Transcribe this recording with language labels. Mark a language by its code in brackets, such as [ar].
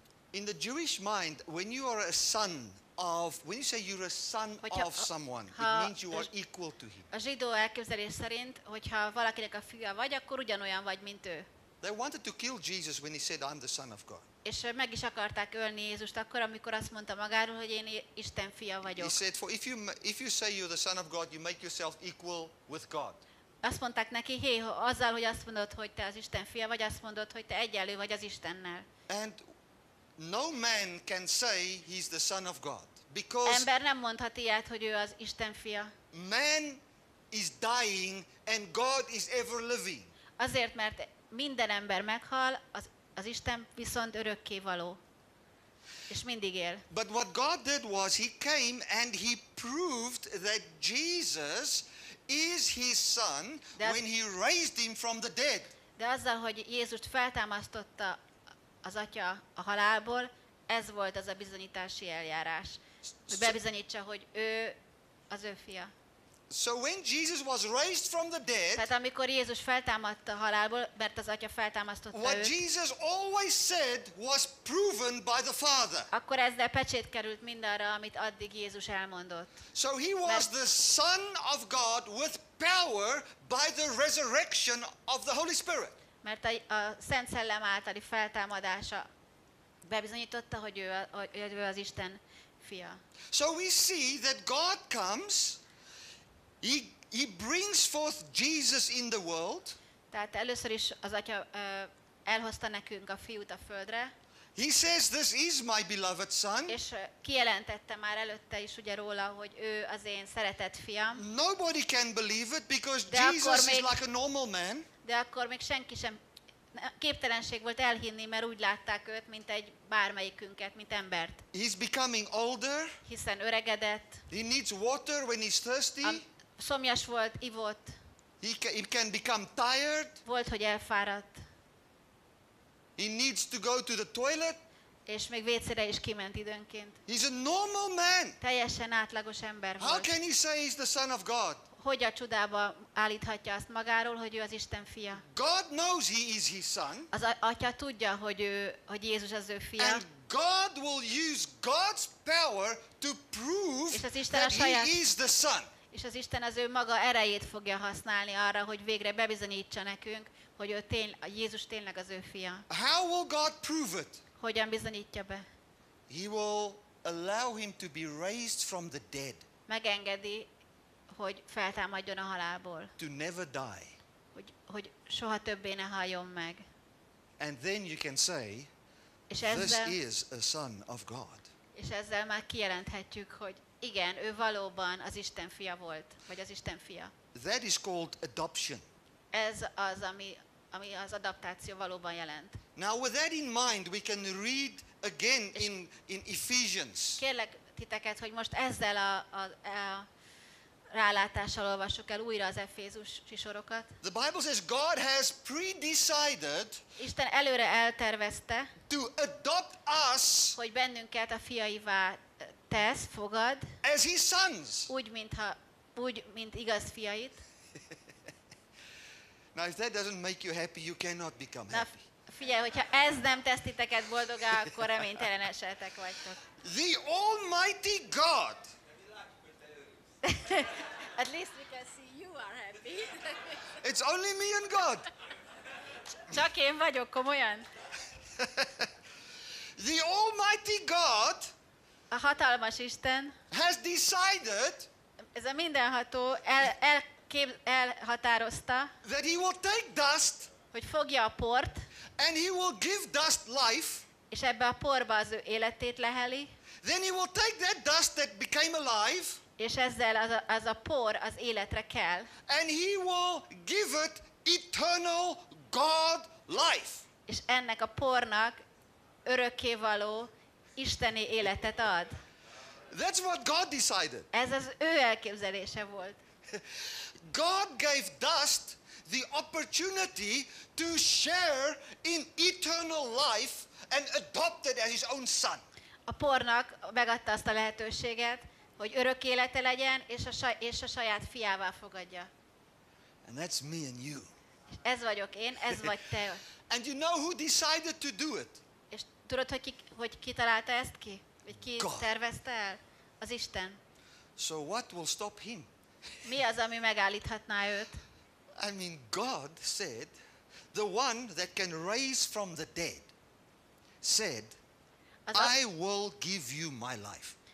[en] In the Jewish mind, when you are a son of, when you say you're a son of someone, it means you are equal to him. [hu] A zsidó elképzelés szerint, hogyha valakinek a fia vagy, akkor ugyanolyan vagy, mint ő. [en] They wanted to kill Jesus when he said, I'm the Son of God. [hu] És meg is akarták ölni Jézust akkor, amikor azt mondta magáról, hogy én Isten fia vagyok. [en] He said, for if you say you're the Son of God, you make yourself equal with God. [hu] Azt mondták neki, hey, azzal, hogy azt mondod, hogy te az Isten fia vagy, azt mondod, hogy te egyenlő vagy az Istennel. [en] And no man can say he's the Son of God. Because [hu] ember nem mondhat ilyet, hogy ő az Isten fia. [en] Man is dying and God is ever living. [hu] Azért, mert minden ember meghal, az Isten viszont örökké való, és mindig él. [en] But what God did was he came and he proved that Jesus is his son when he raised him from the dead. [hu] De azzal, hogy Jézust feltámasztotta az atya a halálból, ez volt az a bizonyítási eljárás, hogy bebizonyítsa, hogy ő az ő fia. [en] So when Jesus was raised from the dead, [hu] tehát amikor Jézus feltámadt a halálból, mert az atya feltámasztotta [en] what [hu] őt, [en] Jesus always said was proven by the Father. [hu] Akkor ezzel pecsét került mindarra, amit addig Jézus elmondott. [en] So he was the Son of God with power by the resurrection of the Holy Spirit. [hu] Mert a Szent Szellem általi feltámadása bebizonyította, hogy ő az Isten fia. [en] So we see that God comes. He brings forth Jesus in the world. [hu] Tehát először is az atya elhozta nekünk a fiút a földre. [en] He says, "This is my beloved son." [hu] És kijelentette már előtte is ugye róla, hogy ő az én szeretett fiam. [en] Nobody can believe it because Jesus is like a normal man. [hu] De akkor még senki sem képtelenség volt elhinni, mert úgy látták őt, mint egy bármelyikünket, mint embert. [en] He's becoming older. [hu] Hiszen öregedett. [en] He needs water when he's thirsty. [hu] Szomjas volt, ivott. [en] He can become tired. [hu] Volt, hogy elfáradt. [en] He needs to go to the toilet. [hu] És még vécére is kiment időnként. [en] He's a normal man. [hu] Teljesen átlagos ember volt. [en] How can he say he's the Son of God? [hu] Hogy a csodába állíthatja azt magáról, hogy ő az Isten fia? [en] God knows he is his son. [hu] Az atya tudja, hogy Jézus az ő fia. [en] And God will use God's power to prove that he is the son. [hu] És az Isten az ő maga erejét fogja használni arra, hogy végre bebizonyítsa nekünk, hogy Jézus tényleg az ő fia. [en] How will God prove it? [hu] Hogyan bizonyítja be? [en] He will allow him to be raised from the dead. [hu] Megengedi, hogy feltámadjon a halálból. [en] To never die. [hu] Hogy soha többé ne haljon meg. [en] And then you can say, this is a son of God. [hu] És ezzel már kijelenthetjük, hogy igen, ő valóban az Isten fia volt, vagy az Isten fia. [en] That is called adoption. [hu] Ez az, ami az adaptáció valóban jelent. [en] Now with that in mind, we can read again in Ephesians. [hu] Kérlek titeket, hogy most ezzel a rálátással olvassuk el újra az Efézusi sorokat. [en] The Bible says God has predecided. [hu] Isten előre eltervezte. [en] To adopt us. [hu] Hogy bennünket a fiaivá tesz, fogad. [en] As his sons. [hu] Úgy mint igaz fiait. [en] Now if that doesn't make you happy, you cannot become happy. [hu] Figyelj, hogyha ez nem tesz titeket boldogá, akkor reménytelen esetek vagytok. [en] The Almighty God. At least we can see you are happy. It's only me and God. [hu] Csak én vagyok, komolyan. [en] The Almighty God. [hu] A hatalmas Isten [en] has decided. [hu] Ez a mindenható elhatározta. [en] That he will take dust. [hu] Hogy fogja a port. [en] And he will give dust life. [hu] És ebbe a porba az ő életét leheli. [en] Then he will take that dust that became alive. [hu] És ezzel az a por az életre kell. [en] And he will give it eternal God life. [hu] És ennek a pornak örökkévaló isteni életet ad. [en] That's what God decided. [hu] Ez az ő elképzelése volt. [en] God gave dust the opportunity to share in eternal life and adopted as his own son. [hu] A pornak megadta azt a lehetőséget, hogy örök élete legyen, és a saját fiává fogadja. [en] And that's me and you. [hu] Ez vagyok én, ez vagy te. [en] And you know who decided to do it? [hu] És tudod, hogy ki találta ezt ki? Vagy ki tervezte el? Az Isten. [en] So what will stop him? [hu] Mi az, ami megállíthatná őt? [en] I mean, God said, the one that can raise from the dead, said, I will give you my life.